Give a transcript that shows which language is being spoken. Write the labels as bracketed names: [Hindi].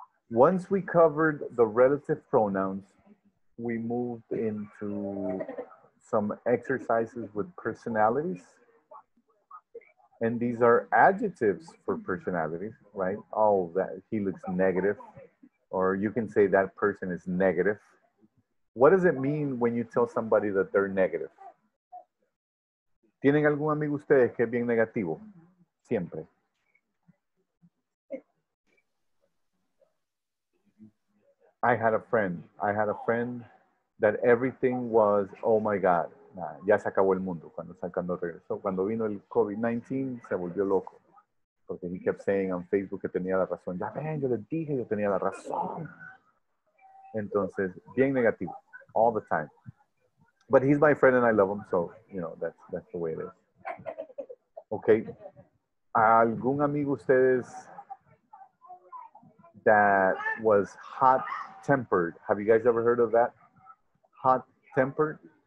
[English] Once we covered the relative pronouns, we moved into some exercises with personalities. And these are adjectives for personalities, right? Oh, that he looks negative. Or you can say that person is negative. What does it mean when you tell somebody that they're negative? [Spanish] ¿Tienen algún amigo ustedes que es bien negativo? Siempre. [English] I had a friend that everything was, oh my God, nah, [Spanish] ya se acabó el mundo cuando regresó. Cuando vino el COVID-19, se volvió loco. Porque [English] he kept saying on Facebook [Spanish] que tenía la razón. Ya ven, yo les dije, yo tenía la razón. Entonces, bien negativo, [English] all the time. But he's my friend and I love him, so, you know, that's the way it is. Okay. [Spanish] ¿Algún amigo ustedes [English] that was hot tempered? Have you guys ever heard of that? Hot tempered?